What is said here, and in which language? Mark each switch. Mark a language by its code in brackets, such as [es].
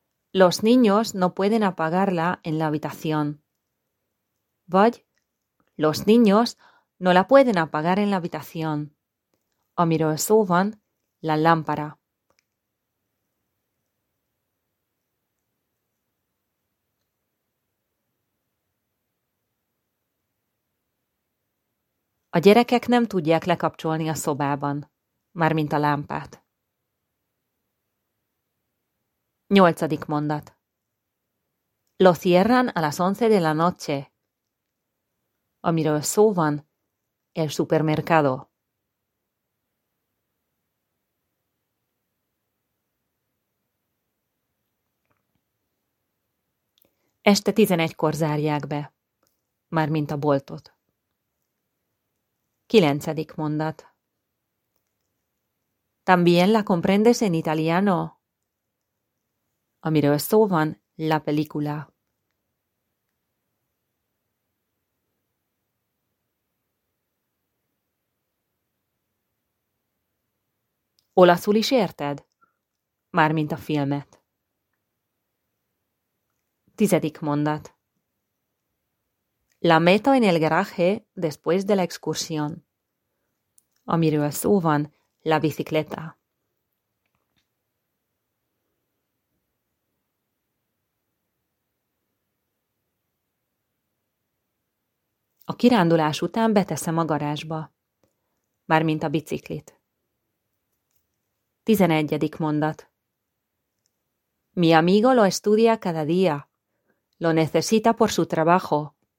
[es] Los niños no pueden apagarla en la habitación. Vagy los niños no la pueden apagar en la habitación. [hu] Amiről szó van, [es] la lámpara. [hu] A gyerekek nem tudják lekapcsolni a szobában, mármint a lámpát. Nyolcadik mondat. [es] Lo cierran a las 11 de la noche. [hu] Amiről szó van, [es] el supermercado. [hu] Este 11-kor zárják be, mármint a boltot. Kilencedik mondat. [es] También la comprendes en italiano? [hu] Amiről szó van, [es] la película. [hu] Olaszul is érted? Mármint a filmet. Tizedik mondat. [es] La meto en el garaje después de la excursión. [hu] Amiről szó van, [es] la bicicleta. [hu] A kirándulás után beteszem a garázsba, mármint a biciklit. Tizenegyedik mondat. [es] Mi amigo lo estudia cada día. Lo necesita por su trabajo.